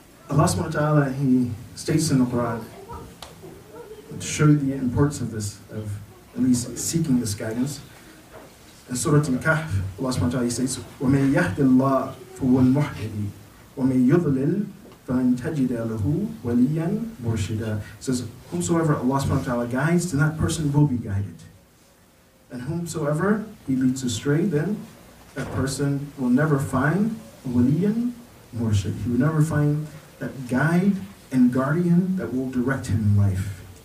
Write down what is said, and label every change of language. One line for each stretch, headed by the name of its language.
English: Allah subhanahu wa ta'ala, he states in the Quran, to show you the importance of this, of at least seeking this guidance. In Surah Al-Kahf, Allah subhanahu wa ta'ala states,
Arabic: وَمَنْ يَهْدِ اللَّهِ فَهُوَ الْمُحْدِي وَمَنْ يُضْلِلْ فَأَنْ تَجِدَ لَهُ وَلِيًّا مُرْشِدًا.
English: It says, whomsoever Allah subhanahu wa ta'ala guides, then that person will be guided. And whomsoever he leads astray, then that person will never find
Arabic: وَلِيًّا مُرْشِدًا.
English: He will never find that guide and guardian that will direct him in life.